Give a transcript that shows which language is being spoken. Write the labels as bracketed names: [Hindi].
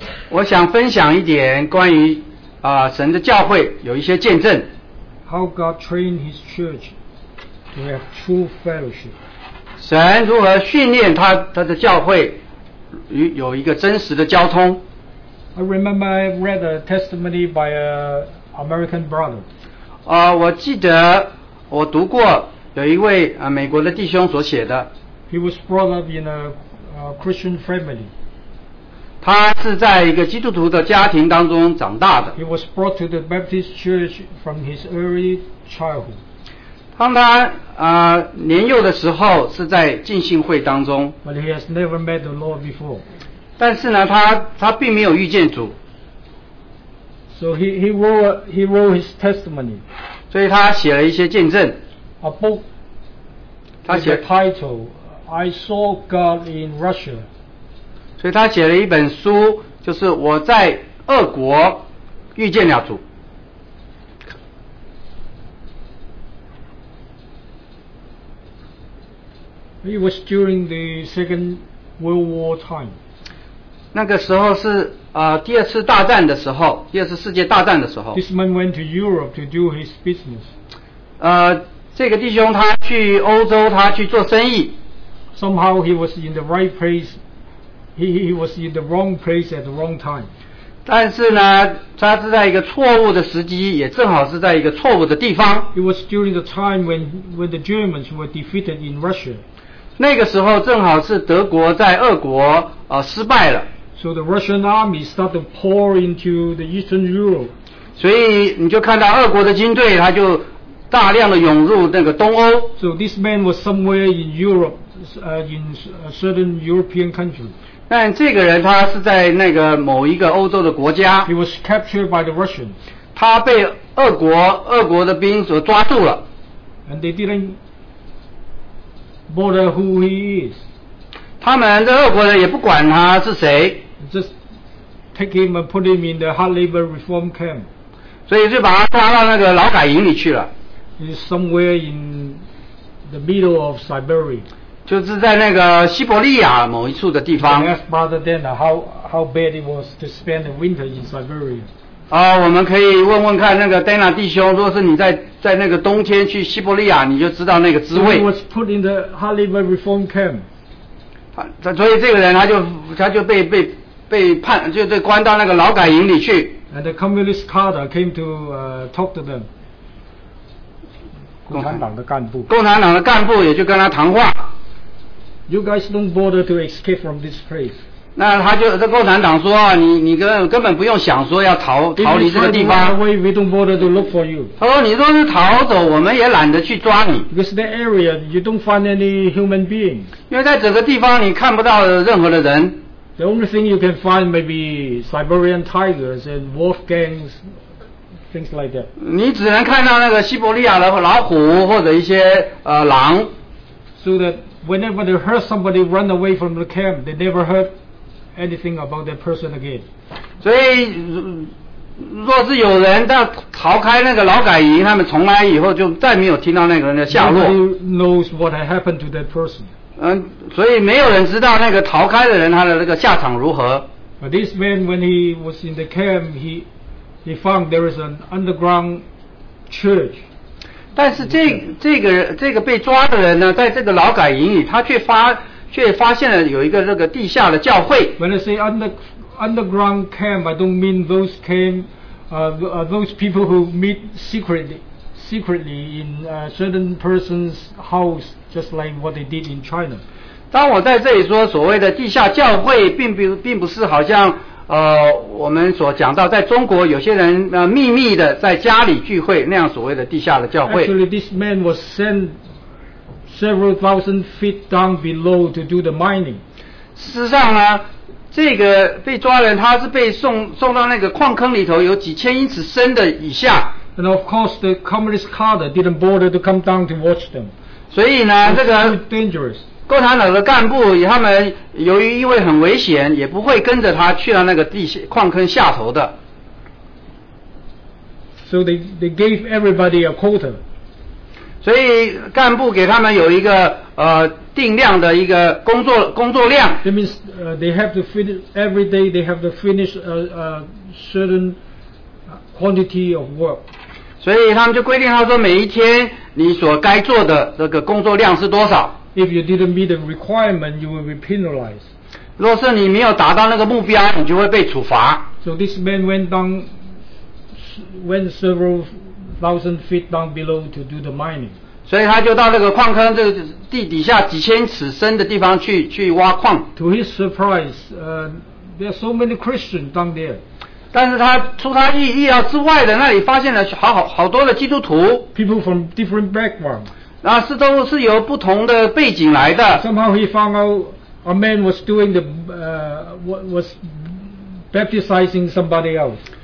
[Chinese] 我想分享一点关于神的教会有一些见证。 [English] How God trained His church to have true fellowship. [Chinese] 神如何训练他的教会与有一个真实的交通。 [English] I remember I read a testimony by an American brother. [Chinese] 我记得我读过。有一位美国的弟兄所写的。 [English] He was brought up in a Christian family. [Chinese] 他是在一个基督徒的家庭当中长大的。 [English] He was brought to the Baptist church from his early childhood. [Chinese] 当他年幼的时候是在浸信会当中。 [English] But he has never met the Lord before. [Chinese] 但是呢，他并没有遇见主。 [English] So he wrote his testimony. [Chinese] 所以他写了一些见证。 [English] A book with the title, I Saw God in Russia. [Chinese] 所以他写了一本书，就是我在俄国遇见了主。 [English] It was during the Second World War time. [Chinese] 那个时候是第二次大战的时候，第二次世界大战的时候。 [English] This man went to Europe to do his business. [Chinese] 这个弟兄他去欧洲，他去做生意。 [English] Somehow he was in the right place, he was in the wrong place at the wrong time. [Chinese] 但是呢，他是在一个错误的时机，也正好是在一个错误的地方。 [English] It was during the time when the Germans were defeated in Russia. [Chinese] 那个时候正好是德国在俄国失败了。 [English] So the Russian army started to pour into the Eastern Europe. [Chinese] 所以你就看到俄国的军队，他就。大量的涌入那个东欧。 [English] So this man was somewhere in Europe, in a certain European country. [Chinese] 但这个人他是在那个某一个欧洲的国家。 [English] He was captured by the Russians. [Chinese] 他被俄国的兵所抓住了。 [English] And they didn't bother who he is. [Chinese] 他们的俄国人也不管他是谁。 [English] Just take him and put him in the hard labor reform camp. [Chinese] 所以就把他抓到那个劳改营里去了。 [English] Is somewhere in the middle of Siberia. [Chinese] 就是在那个西伯利亚某一处的地方。 [English] I asked Brother Dana how bad it was to spend the winter in Siberia. [Chinese] 我们可以问问看那个 Dana 弟兄，如果是你在那个冬天去西伯利亚，你就知道那个滋味。 [English] He was put in the Hollywood Reform Camp. [Chinese] 所以这个人他就被判，就被关到那个劳改营里去。 [English] And the communist cadre came to talk to them. [Chinese] 共产党的干部也就跟他谈话。 [English] You guys don't bother to escape from this place. [Chinese] 那他就这共产党说啊，你根本不用想说要逃离这个地方。 [English] Away, we don't bother to look for you. [Chinese] 他说你若是逃走，我们也懒得去抓你。 [English] Because the area you don't find any human being. [Chinese] 因为在整个地方你看不到任何的人。 [English] The only thing you can find maybe Siberian tigers and wolf gangs, things like that. [Chinese] 你只能看到那个西伯利亚的老虎或者一些狼。 [English] So that whenever they heard somebody run away from the camp, they never heardanything about that person again. [Chinese] 所以若是有人到逃开那个劳改营，他们从来以后就再没有听到那个人的下落。 [English] Nobody knows what had happened to that person. [Chinese] 所以没有人知道那个逃开的人他的那个下场如何。 [English] But this man, when he was in the camp, he found there is an underground church. [Chinese] 但是这个被抓的人呢，在这个劳改营里，他却发现了有一个这个地下的教会。 [English] When I say underground camp, I don't mean those camp, those people who meet secretly in a certain person's house, just like what they did in China. [Chinese] 当我在这里说所谓的地下教会，并不是好像我们所讲到在中国有些人秘密的在家里聚会那样所谓的地下的教会。 [English] Actually, this man was sentseveral thousand feet down below to do the mining. [Chinese] 事实上呢，这个被抓人他是被送到那个矿坑里头，有几千英尺深的以下。 [English] And of course, the communist cadre didn't bother to come down to watch them. [Chinese] 所以呢，这个 [English] dangerous. [Chinese] 共产党的干部他们由于因为很危险，也不会跟着他去到那个矿坑下头的。 [English] So they gave everybody a quota. [Chinese] 所以干部给他们有一个定量的一个工作量。 [English] That means they have to finish every day. They have to finish a certain quantity of work. [Chinese] 所以他们就规定他说每一天你所该做的这个工作量是多少。 [English] If you didn't meet the requirement, you will be penalized. [Chinese] 若是你没有达到那个目标，你就会被处罚。 [English] So this man went several. 1,000 feet down below to do the mining. [Chinese] 所以他就到那个矿坑这个地底下几千尺深的地方去挖矿。 [English] To his surprise, there are so many Christians down there. [Chinese] 但是他出他意料之外的那里发现了好多的基督徒。 [English] People from different backgrounds. [Chinese] 那都是由不同的背景来的。 [English] Somehow he found out a man was doing the was baptizing somebody else.